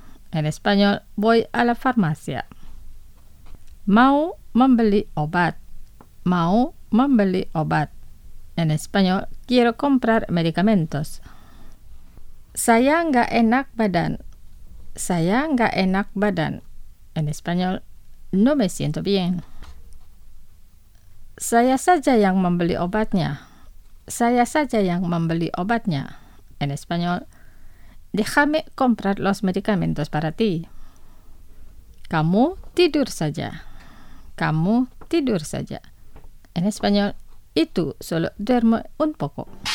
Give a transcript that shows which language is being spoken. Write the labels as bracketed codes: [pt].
[es] En español, voy a la farmacia. [id] Mau membeli obat. Mau membeli obat. [es] En español, quiero comprar medicamentos. [id] Saya enggak enak badan. Saya enggak enak badan. [es] En español, no me siento bien. [id] Saya saja yang membeli obatnya. Saya saja yang membeli obatnya. [es] En español, déjame comprar los medicamentos para ti. [id] Kamu tidur saja. Kamu tidur saja. [es] En español, y tú solo duerme un poco.